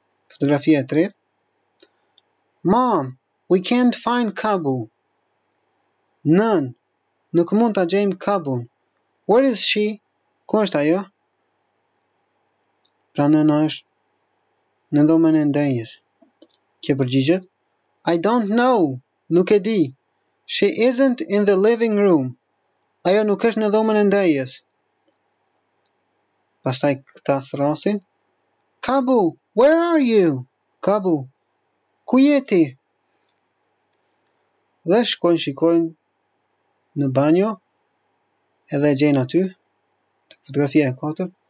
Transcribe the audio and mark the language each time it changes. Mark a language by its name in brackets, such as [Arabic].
[Albanian] Fotografia e tretë. [English] Mom, we can't find Kabu. [Albanian] Nën, nuk mund ta gjejmë Kabun. [English] Where is she? [Albanian] Ku është ajo? Pra nëna është në dhomën e ndenjes. Kje përgjigjet? [English] I don't know. [Albanian] Nuk e di. [English] She isn't in the living room. [Albanian] Ajo nuk është në dhomën e ndenjes. Pastaj këta thrasin. Kabu, [English] where are you? [Albanian] Kabu, ku jeti? Dhe shkojnë shikojnë në banjo edhe gjejnë aty fotografia e 4.